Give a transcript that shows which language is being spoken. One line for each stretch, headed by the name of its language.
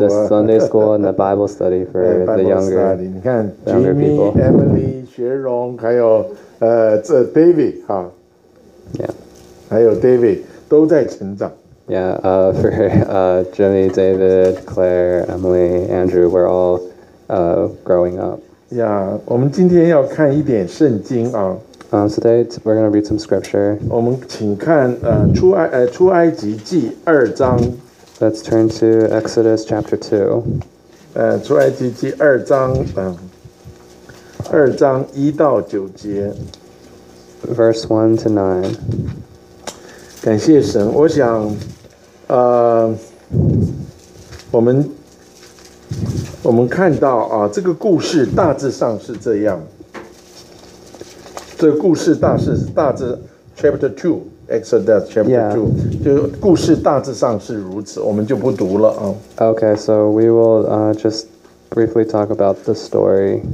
English: the Sunday school and the Bible study for the younger, younger people.
Chinese: Jimmy, Emily, Sharon, 还有这 David 哈。
English: Yeah.
Chinese: 还有 David 都在成长。
English: Yeah. For Jimmy, David, Claire, Emily, Andrew, we're all growing up. Yeah.
Chinese: 我们今天要看一点圣经啊。
English: Today we're going to read some scripture.
Chinese: 我们请看出埃及记二章。
English: Let's turn to Exodus chapter 2.
Chinese: 出埃及记二章，二章一到九节。
English: Verse 1-9.
Chinese: 感谢神，我想，我们看到啊，这个故事大致上是这样。这故事大致
English: chapter 2 Exodus chapter 2、 yeah.
Chinese: 就故事大致上是如此，我们就不读了、
English: Okay, so we will just briefly talk about the story.